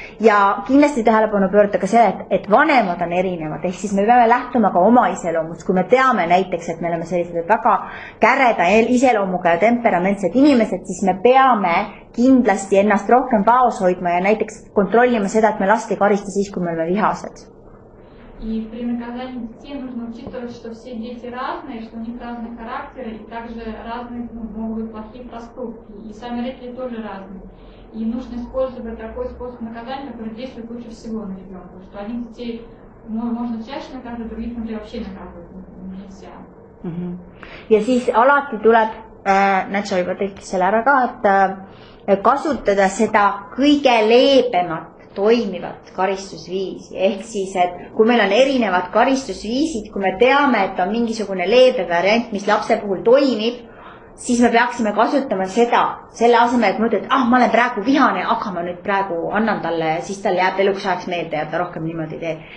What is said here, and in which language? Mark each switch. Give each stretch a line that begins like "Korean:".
Estonian: Ja kindlasti tähelepanu pöörda ka selle, et vanemad on erinevad. Ehk siis me peame lähtuma ka oma iseloomust, kui me teame näiteks, et me oleme sellised väga käreda iseloomuga ja temperamentsed inimesed, siis me peame kindlasti ennast rohkem vaos hoidma ja näiteks kontrollima seda, et me last ei karista siis, kui me oleme vihased.
Russian: И при наказании детей нужно учитывать, что все дети разные, что у них разные характеры, и также разные могут быть плохие поступки. И сами родители тоже разные. И нужно использовать такой способ наказания, который действует лучше всего на ребенка. Что одних детей можно чаще наказывать, других, например, вообще наказывать нельзя.
Estonian: Ja siis alati tuleb, näed sa juba tekis selle ära ka, et kasutada seda kõige leebemat toimivat karistusviisi. Ehk siis, et kui meil on erinevad karistusviisid, kui me teame, et on mingisugune leebe variant, mis lapse puhul toimib, siis me peaksime kasutama seda, selle asemel, et mõtled, ma olen praegu vihane, aga ma nüüd praegu annan talle ja siis talle jääb eluks ajaks meelde ja ta rohkem niimoodi teeb.